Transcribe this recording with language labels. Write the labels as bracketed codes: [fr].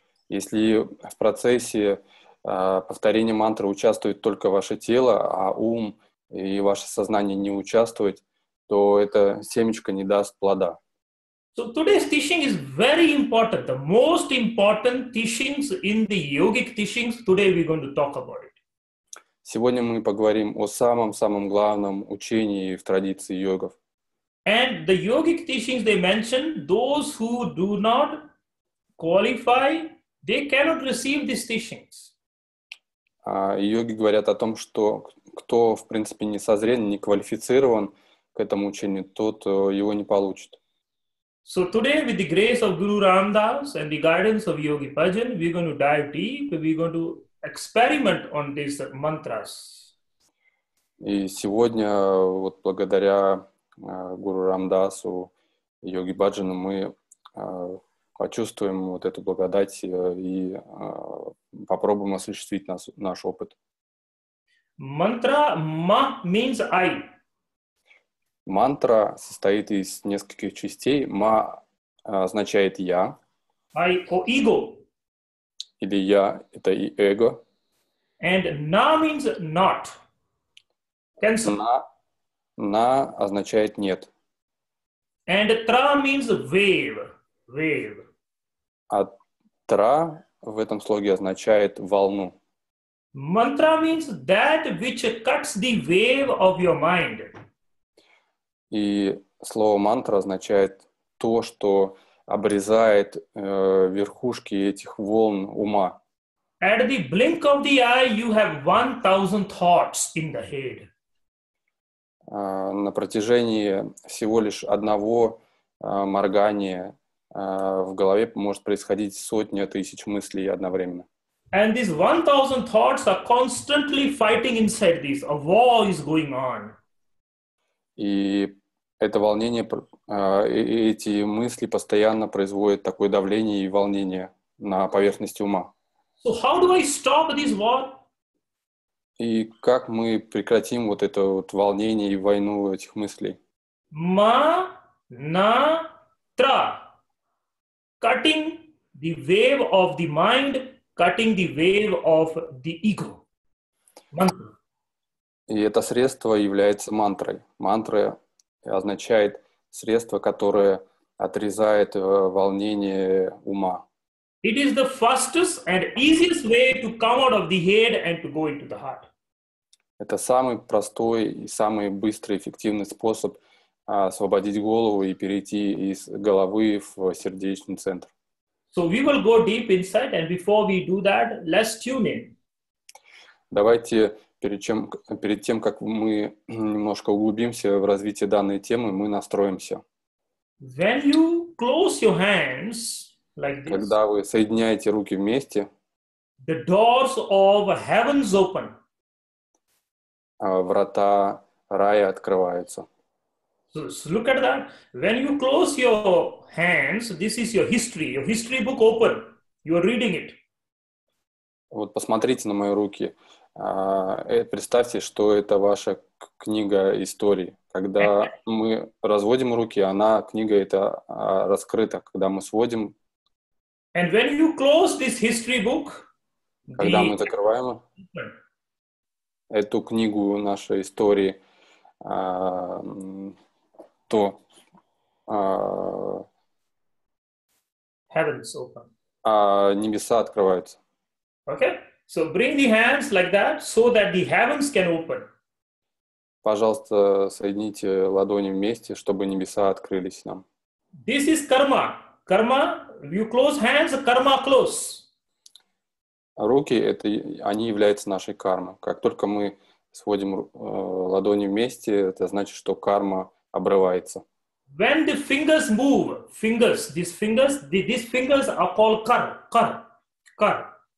[ru] Если в процессе повторения мантры участвует только ваше тело, а ум и ваше сознание не участвуют, то это семечко не даст плода. [en] So today's teaching is very important. The most important teachings in the yogic teachings, today we're going to talk about it. [ru] Сегодня мы поговорим о самом-самом главном учении в традиции йогов. [en] And the yogic teachings they mention, those who do not qualify, they cannot receive these teachings. [ru] Йоги говорят о том, что кто, в принципе, не созрен, не квалифицирован к этому учению, тот его не получит. [en] So today, with the grace of Guru Ramdas and the guidance of Yogi Bhajan, we're going to dive deep, we're going to experiment on these mantras. [ru] И сегодня, вот благодаря Гуру Рамдасу и Йоги Баджану, мы почувствуем вот эту благодать и попробуем осуществить наш опыт. Мантра ма [en] means I. [ru] Мантра состоит из нескольких частей. Ма означает я. [en] I or ego. [ru] Или я, это и эго. [en] And na means not. [ru] На означает нет. [en] And tra means wave. [ru] А тра в этом слоге означает волну. [en] Mantra means that which cuts the wave of your mind. [ru] И слово мантра означает то, что обрезает верхушки этих волн ума. [en] At the blink of the eye, you have 1,000 thoughts in the head. [ru] На протяжении всего лишь одного моргания в голове может происходить сотня тысяч мыслей одновременно. [en] And these 1,000 thoughts are constantly fighting inside this. A war is going on. [ru] И это волнение, эти мысли постоянно производят такое давление и волнение на поверхности ума. [en] So how do I stop this war? [ru] И как мы прекратим вот это вот волнение и войну этих мыслей? [en] Ма-на-тра. Cutting the wave of the mind, cutting the wave of the ego. Mantra. [ru] И это средство является мантрой. Мантра означает средство, которое отрезает волнение ума. [en] It is the fastest and easiest way to come out of the head and to go into the heart. [ru] Это самый простой и самый быстрый, эффективный способ освободить голову и перейти из головы в сердечный центр. [en] So we will go deep inside, and before we do that, let's tune in. [ru] Давайте перед тем, как мы немножко углубимся в развитие данной темы, мы настроимся. [en] When you close your hands like this, [ru] когда вы соединяете руки вместе, [en] the doors of heavens open. [ru] Врата рая открываются. [en] So look at that. When you close your hands, this is your history. Your history book open. You are reading it. [ru] Вот посмотрите на мои руки. Представьте, что это ваша книга истории. Когда мы разводим руки, она, книга эта, раскрыта. Когда мы сводим... [en] And when you close this history book, [ru] когда мы закрываем эту книгу нашей истории, то... [en] Heavens open. [ru] Небеса открываются. [en] Okay. So bring the hands like that, so that the heavens can open. [ru] Пожалуйста, соедините ладони вместе, чтобы небеса открылись нам. [en] This is karma. Karma, you close hands, karma close. [ru] Руки, это, они являются нашей кармой. Как только мы сводим ладони вместе, это значит, что карма обрывается. [en] When the fingers move, these fingers are called kar.